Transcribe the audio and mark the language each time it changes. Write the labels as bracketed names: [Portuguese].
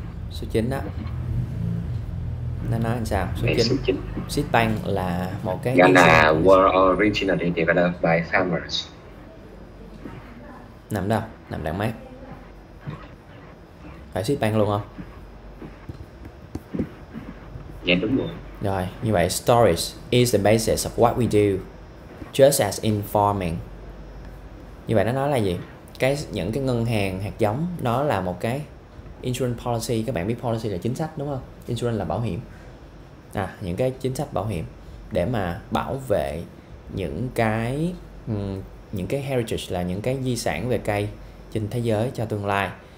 [Vietnamese] Số 9 đó. Nó nói làm sao? Số thầy 9. số 9 Seed bank là một cái gọi y chang [English] là were originally developed by farmers. [Vietnamese] nằm đâu, nằm đằng mát, phải seed bank luôn Dạ đúng rồi. không? [English] Rồi như vậy storage is the basis of what we do just as in farming. [Vietnamese] Như vậy nó nói là gì? Cái những cái ngân hàng hạt giống nó là một cái insurance policy. Các bạn biết policy là chính sách đúng không? Insurance là bảo hiểm. À, những cái chính sách bảo hiểm để mà bảo vệ những cái heritage là những cái di sản về cây trên thế giới cho tương lai.